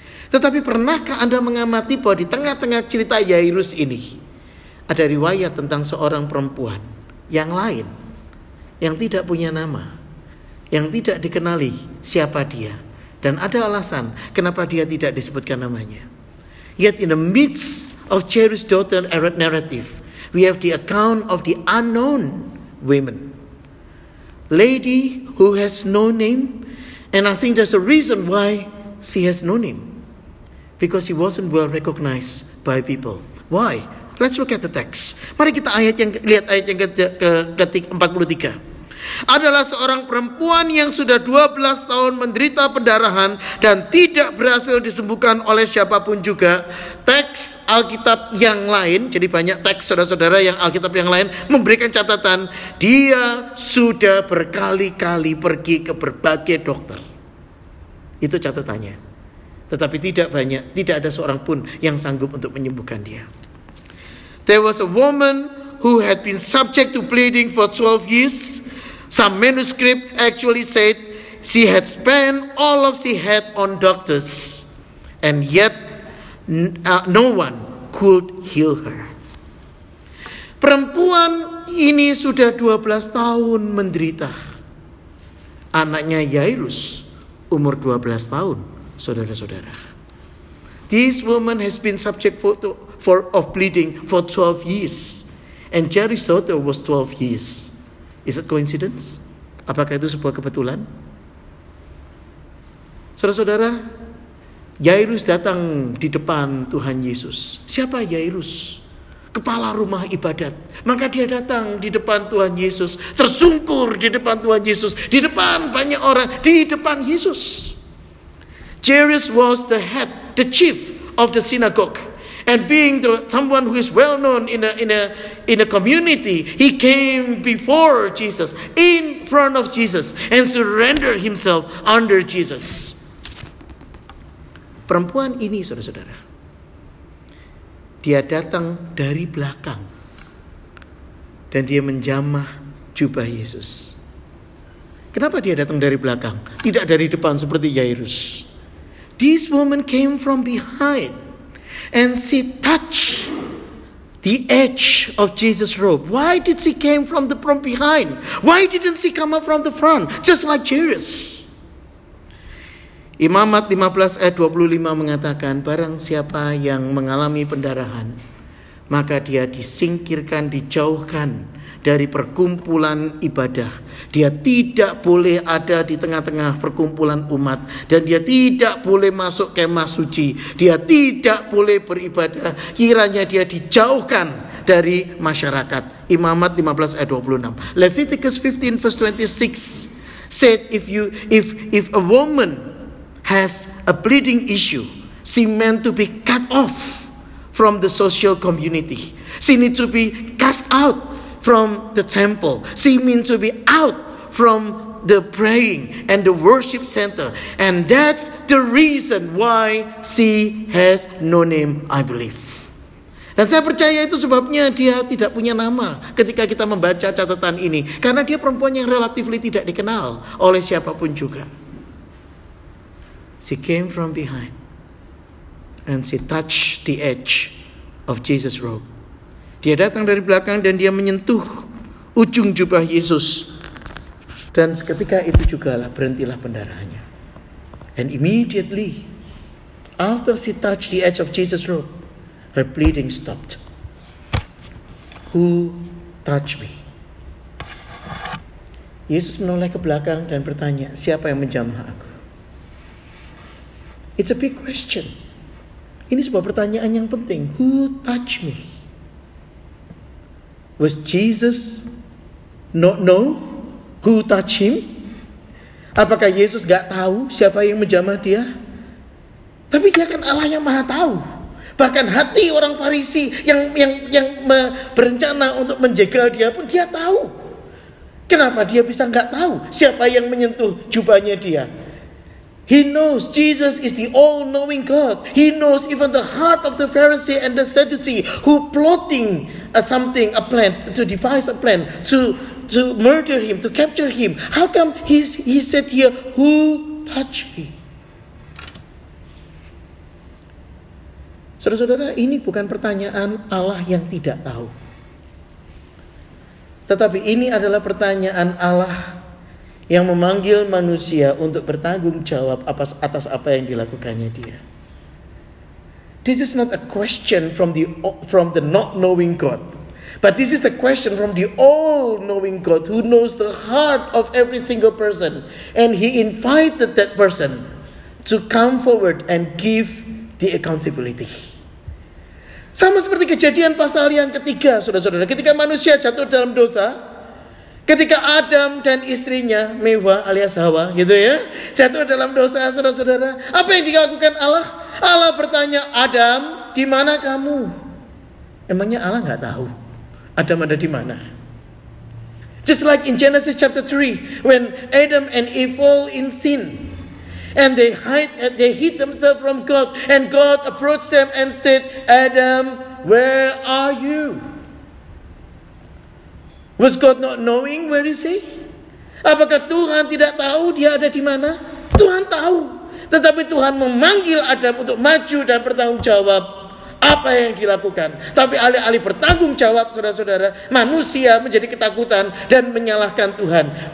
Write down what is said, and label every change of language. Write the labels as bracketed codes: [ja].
[id] Tetapi pernahkah Anda mengamati bahwa di tengah-tengah cerita Yairus ini, ada riwayat tentang seorang perempuan yang lain, yang tidak punya nama, yang tidak dikenali siapa dia. Dan ada alasan kenapa dia tidak disebutkan namanya. [en] Yet in the midst of Jairus' daughter's narrative, we have the account of the unknown woman. Lady who has no name, and I think there's a reason why she has no name. Because she wasn't well recognized by people. Why? Let's look at the text. [id] Mari kita lihat ayat yang ke-43. Adalah seorang perempuan yang sudah 12 tahun menderita pendarahan dan tidak berhasil disembuhkan oleh siapapun juga. Teks Alkitab yang lain, jadi banyak teks saudara-saudara yang Alkitab yang lain memberikan catatan, dia sudah berkali-kali pergi ke berbagai dokter. Itu catatannya. Tetapi tidak banyak, tidak ada seorang pun yang sanggup untuk menyembuhkan dia. [en] There was a woman who had been subject to bleeding for 12 years. Some manuscript actually said she had spent all of she had on doctors, and yet no one could heal her. [id] Perempuan ini sudah 12 tahun menderita. Anaknya Jairus umur 12 tahun, saudara-saudara. [en] This woman has been subject of bleeding for 12 years, and Jairus' daughter was 12 years. Is it coincidence? [id] Apakah itu sebuah kebetulan? Saudara-saudara, Jairus datang di depan Tuhan Yesus. Siapa Jairus? Kepala rumah ibadat. Maka dia datang di depan Tuhan Yesus. Tersungkur di depan Tuhan Yesus. Di depan banyak orang. Di depan Yesus. [en] Jairus was the head, the chief of the synagogue. And being someone who is well known in a community, he came before Jesus, in front of Jesus, and surrendered himself under Jesus. [id] Perempuan ini, saudara-saudara, dia datang dari belakang dan dia menjamah jubah Yesus. Kenapa dia datang dari belakang? Tidak dari depan seperti Jairus. [en] This woman came from behind. And she touched the edge of Jesus' robe. Why did she came from behind? Why didn't she come up from the front? Just like Jairus. [id] Imamat 15 ayat 25 mengatakan, barang siapa yang mengalami pendarahan, maka dia disingkirkan, dijauhkan dari perkumpulan ibadah. Dia tidak boleh ada di tengah-tengah perkumpulan umat. Dan dia tidak boleh masuk kemah suci. Dia tidak boleh beribadah. Kiranya dia dijauhkan dari masyarakat. Imamat 15 ayat 26. [en] Leviticus 15 verse 26 said, if a woman has a bleeding issue, she meant to be cut off from the social community. She need to be cast out from the temple. She means to be out from the praying and the worship center. And that's the reason why she has no name, I believe. [id] Dan saya percaya itu sebabnya dia tidak punya nama ketika kita membaca catatan ini. Karena dia perempuan yang relatively tidak dikenal oleh siapapun juga. [en] She came from behind. And she touched the edge of Jesus' robe. [id] Dia datang dari belakang dan dia menyentuh ujung jubah Yesus. Dan seketika itu juga lah berhentilah pendarahannya. [en] And immediately, after she touched the edge of Jesus' robe, her bleeding stopped. Who touched me? [id] Yesus menoleh ke belakang dan bertanya, siapa yang menjamah aku? [en] It's a big question. [id] Ini sebuah pertanyaan yang penting. [en] Who touched me? Was Jesus not know who touched him? [id] Apakah Yesus gak tahu siapa yang menjamah dia? Tapi dia kan Allah yang Maha tahu. Bahkan hati orang Farisi yang berencana untuk menjegal dia pun dia tahu. Kenapa dia bisa gak tahu siapa yang menyentuh jubahnya dia? [en] He knows Jesus is the all-knowing God. He knows even the heart of the Pharisee and the Sadducee who plotting something, a plan, to devise a plan, to murder him, to capture him. How come he said here, who touched me? [id] Saudara-saudara, ini bukan pertanyaan Allah yang tidak tahu. Tetapi ini adalah pertanyaan Allah yang memanggil manusia untuk bertanggung jawab atas apa yang dilakukannya dia. [en] This is not a question from the not knowing God, but this is a question from the all knowing God who knows the heart of every single person, and he invited that person to come forward and give the accountability. [id] Sama seperti kejadian pasal yang ketiga, saudara-saudara, ketika manusia jatuh dalam dosa, ketika Adam dan istrinya, Hewa alias Hawa, gitu ya, jatuh dalam dosa, saudara-saudara, apa yang dilakukan Allah? Allah bertanya, Adam, di mana kamu? Emangnya Allah gak tahu Adam ada di mana? [en] Just like in Genesis chapter 3, when Adam and Eve fall in sin, and they hid themselves from God, and God approached them and said, Adam, where are you? Was God not knowing where is he? [id] Apakah Tuhan tidak tahu dia ada di mana? Tuhan tahu. Tetapi Tuhan memanggil Adam untuk maju dan bertanggung jawab apa yang dilakukan. Tapi alih-alih bertanggung jawab, saudara-saudara, manusia menjadi ketakutan dan menyalahkan Tuhan.